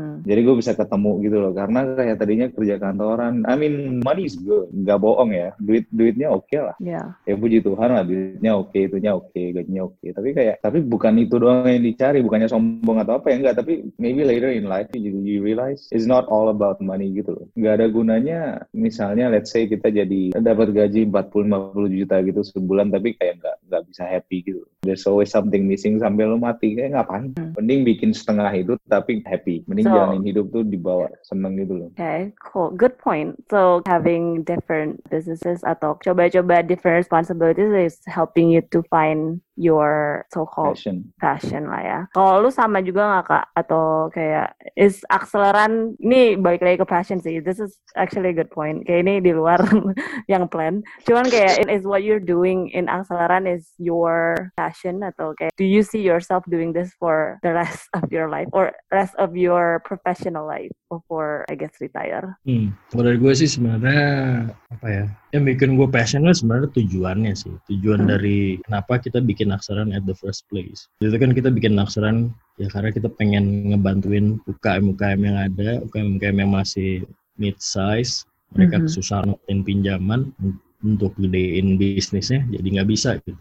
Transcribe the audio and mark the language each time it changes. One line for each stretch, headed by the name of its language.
Indonesian: Jadi gue bisa ketemu gitu loh, karena kayak tadinya kerja kantoran,
English: I mean money is good,
Indonesian: nggak bohong ya, duitnya oke lah.
English: Yeah.
Indonesian: Ya puji Tuhan lah, duitnya oke, itunya oke, gajinya oke. Tapi kayak, tapi bukan itu doang yang dicari, bukannya sombong atau apa ya, enggak.
English: Tapi maybe later in life you realize it's not all about money
Indonesian: gitu loh. Nggak ada gunanya, misalnya let's say kita jadi dapat gaji 40-50 juta gitu sebulan, tapi kayak nggak bisa happy gitu.
English: There's always something missing
Indonesian: sampai lo mati, kayak ngapain? Mending bikin setengah itu tapi happy. Mending jalanin hidup tuh dibawa seneng gitu loh.
English: Okay, cool. Good point. So having different businesses
Indonesian: atau coba-coba
English: different responsibilities is helping you to find your so-called passion lah ya.
Indonesian: Kalau lu sama juga gak kak? Atau kayak is akseleran, ini balik lagi ke passion sih,
English: this is actually a good point.
Indonesian: Kayak ini di luar yang plan.
English: Cuman kayak is what you're doing in akseleran is your passion? Atau kayak do you see yourself doing this for the rest of your life or rest of your professional life before I guess retire?
Indonesian: Kalau dari gue sih sebenarnya apa ya, yang bikin gue passion lah sebenarnya tujuannya sih. Tujuan dari kenapa kita bikin akseleran
English: at the first place.
Indonesian: Jadi itu kan kita bikin akseleran ya karena kita pengen ngebantuin UKM-UKM yang ada, UKM-UKM yang masih mid-size, mereka kesusahan ngelakuin pinjaman untuk gedein bisnisnya, jadi nggak bisa gitu.